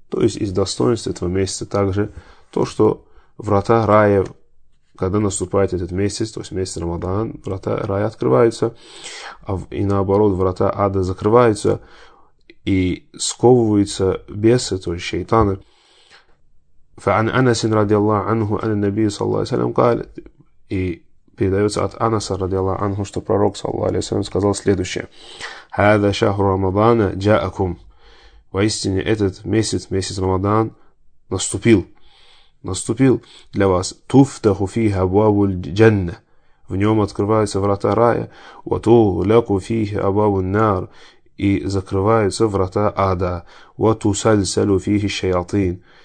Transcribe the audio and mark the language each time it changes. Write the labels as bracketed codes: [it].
[ru] То есть из достоинств этого месяца также то, что врата рая, когда наступает этот месяц, то есть месяц Рамадан, врата рая открываются, и наоборот, врата ада закрываются и сковываются бесы, то есть шайтаны. [ar] فعن أنس رضي الله عنه أن النبي صلى الله عليه وسلم قال, [ru] и передается от Анаса رضي الله عنه, что пророк صلى الله عليه وسلم сказал следующее: [ar] هذا شهر رمضان جاءكم, [ru] Воистине, этот месяц, месяц Рамадан, наступил. Наступил для вас. [ar] Туфтаху фиха абвабуль джанна. [ru] В нем открываются врата рая. [ar] Ватугляку фиха абвабуль нар. [ru] И закрываются врата ада. [ar] Ватусальсалу фихи шайатин.